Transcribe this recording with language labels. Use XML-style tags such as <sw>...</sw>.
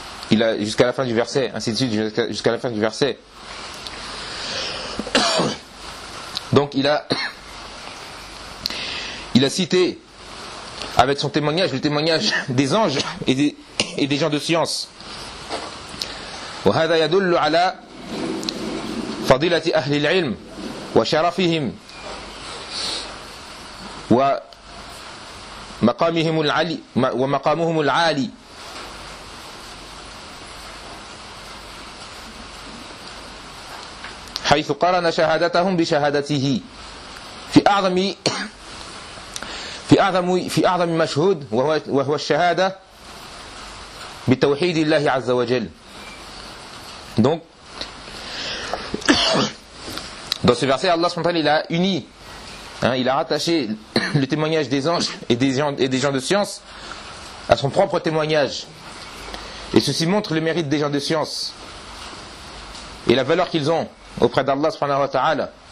<fr>Il a jusqu'à la fin du verset, ainsi de suite, jusqu'à la fin du verset. Donc il a cité avec son témoignage le témoignage des anges et des gens de science.</fr> <ar>وهذا يدل على فضيلة أهل العلم وشرفهم ومقامهم العالي. حيث قارن شهادتهم بشهادته في أعظم مشهود وهو الشهادة بتوحيد الله عز وجل.</ar> <fr>Donc, dans ce verset, Allah subhanahu wa ta'ala, il a uni, hein, il a rattaché le témoignage des anges et des gens de science à son propre témoignage. Et ceci montre le mérite des gens de science et la valeur qu'ils ont auprès d'Allah subhanahu wa ta'ala.</fr>